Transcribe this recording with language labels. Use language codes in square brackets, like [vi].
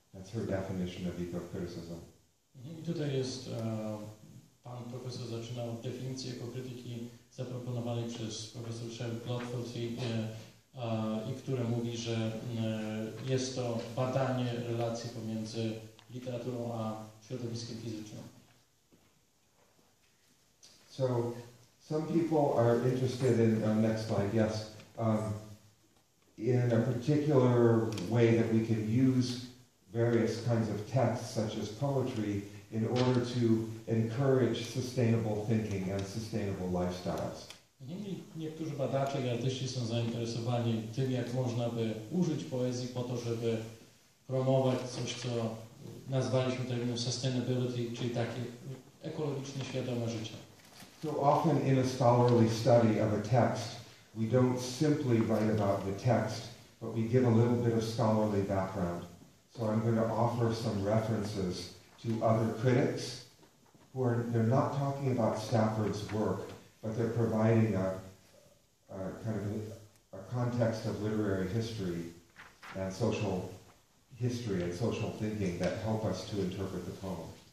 [en] That's her definition of eco-criticism. [pl] I tutaj jest, pan profesor zaczynał od definicji eko-krytyki zaproponowanej przez profesor Sherry Blotfelty, i która mówi, że jest to badanie relacji pomiędzy literaturą a środowiskiem fizycznym. [en] So, some people are interested in, next slide, yes, in a particular way that we can use various kinds of texts, such as poetry, in order to encourage sustainable thinking and sustainable lifestyles. [pl] Niektórzy badacze i artyści są zainteresowani tym, jak można by użyć poezji po to, żeby promować coś, co nazwaliśmy terminem sustainability, czyli takie ekologicznie świadome życie. [en] So often in a scholarly study of a text, we don't simply write about the text, but we give a little bit of scholarly background. So I'm going to offer some references to other critics who are, they're not talking about Stafford's work, but they're providing a kind of a context of literary history and social history and social thinking that help us to interpret the poem.